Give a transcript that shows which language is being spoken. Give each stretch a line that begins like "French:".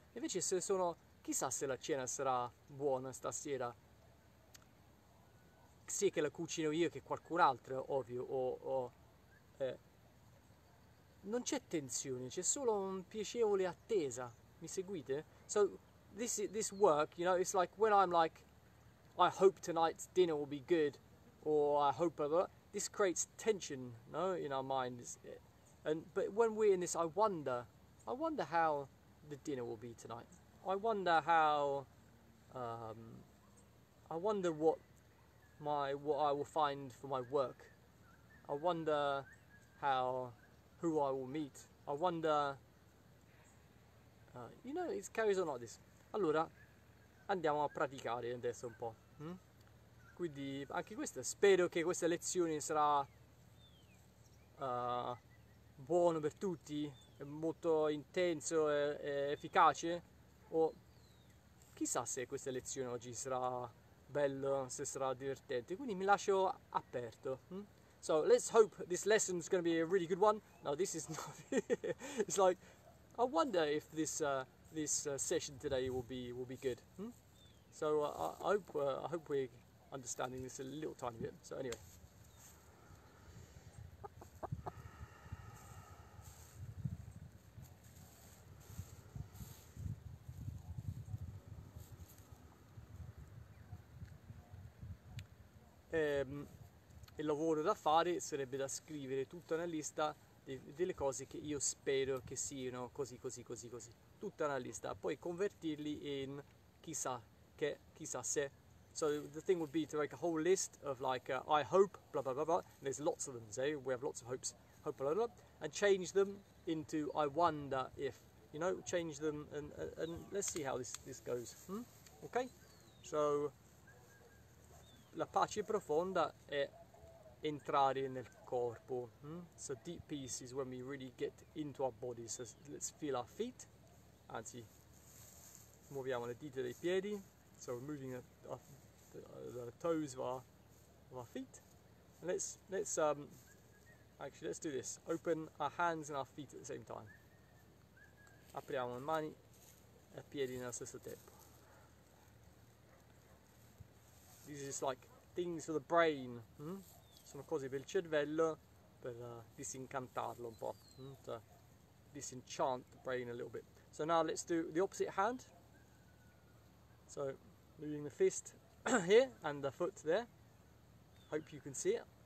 Italian: Invece se sono, chissà se la cena sarà buona stasera, sia che la cucino io che qualcun altro, ovvio, non c'è tensione, c'è solo un piacevole attesa. Mi seguite?
English: So This work, you know, it's like when I'm like, I hope tonight's dinner will be good, or I hope, this creates tension, no, in our minds. But when we're in this, I wonder how the dinner will be tonight. I wonder how, I wonder what I will find for my work. I wonder who I will meet. I wonder, you know, it carries on like this.
Italian: Allora, andiamo a praticare adesso un po'. Quindi, anche questa, spero che questa lezione sarà buona per tutti, molto intenso e efficace. O chissà se questa lezione oggi sarà bella, se sarà divertente. Quindi mi lascio aperto.
English: So, let's hope this lesson is going to be a really good one. No, this is not... It's like, I wonder if this... This session today will be good. So I hope we're understanding this a little tiny bit. So anyway.
Italian: Il lavoro da fare sarebbe da scrivere tutta una lista delle cose che io spero che siano così. Tutta una lista, poi convertirli in chissà se.
English: So the thing would be to make a whole list of like I hope blah blah blah blah. And there's lots of them, say we have lots of hopes, hope blah blah blah, and change them into I wonder if, you know, change them and let's see how this goes.
Italian: Okay, so la pace profonda è entrare nel corpo.
English: So deep peace is when we really get into our bodies. So let's feel our feet.
Italian: Anzi, muoviamo le dita dei piedi,
English: so we're moving the toes of our feet. And let's do this. Open our hands and our feet at the same time.
Italian: Apriamo le mani e i piedi nello stesso tempo.
English: These are just like things for the brain.
Italian: Sono cose per il cervello, per disincantarlo un po',
English: to disenchant the brain a little bit. So now let's do the opposite hand. So moving the fist here and the foot there. Hope you can see it.